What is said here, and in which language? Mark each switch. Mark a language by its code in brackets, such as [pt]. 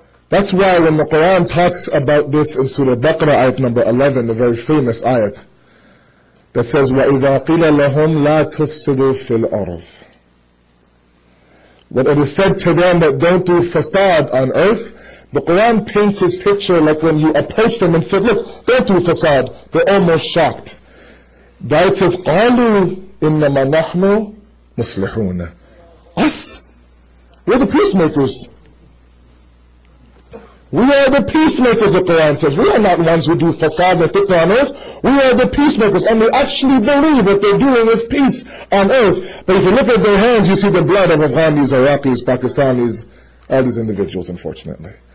[en] That's why when the Quran talks about this in Surah Baqarah, ayat number 11, the very famous ayat, that says, [ar] وَإِذَا قِيلَ لَهُمْ لَا تُفْسِدُوا فِي الْأَرْضِ. [en] When it is said to them that don't do facade on earth, the Quran paints his picture like when you approach them and said, look, don't do facade. They're almost shocked. That it says, [ar] قَالُوا إِنَّمَا نَحْنُ مُصْلِحُونَ. [en] Us? We're the peacemakers. We are the peacemakers, the Quran says. We are not ones who do facade and fitna on earth. We are the peacemakers. And they actually believe what they're doing is peace on earth. But if you look at their hands, you see the blood of Afghanis, Iraqis, Pakistanis, all these individuals, unfortunately.